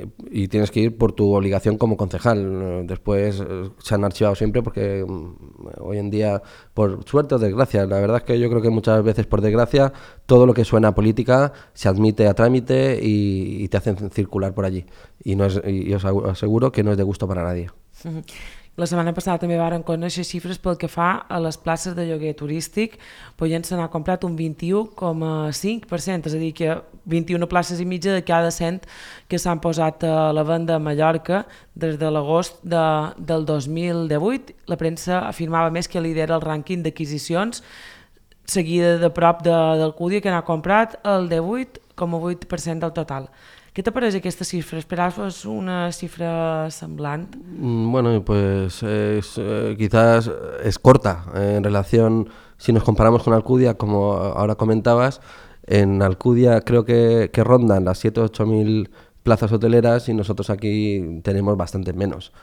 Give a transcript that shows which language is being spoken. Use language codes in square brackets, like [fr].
[es] Y tienes que ir por tu obligación como concejal. Después se han archivado siempre porque hoy en día, por suerte o desgracia, la verdad es que yo creo que muchas veces por desgracia todo lo que suena a política se admite a trámite y te hacen circular por allí y os aseguro que no es de gusto para nadie. [ca] La setmana passada també varen conèixer xifres pel que fa a les places de lloguer turístic, però ja se n'ha comprat un 21,5%, és a dir, que 21 places i mitja de cada 100 que s'han posat a la venda a Mallorca des de l'agost del 2018. La premsa afirmava més que lidera el rànquing d'adquisicions, seguida de prop d'Alcúdia, que n'ha comprat el 18,8% del total. [es] ¿Qué te parece esta cifra? ¿Esperabas una cifra semblante? Bueno, pues quizás es corta en relación, si nos comparamos con Alcúdia, como ahora comentabas, en Alcúdia creo que rondan las 7.000 o 8.000 plazas hoteleras y nosotros aquí tenemos bastante menos.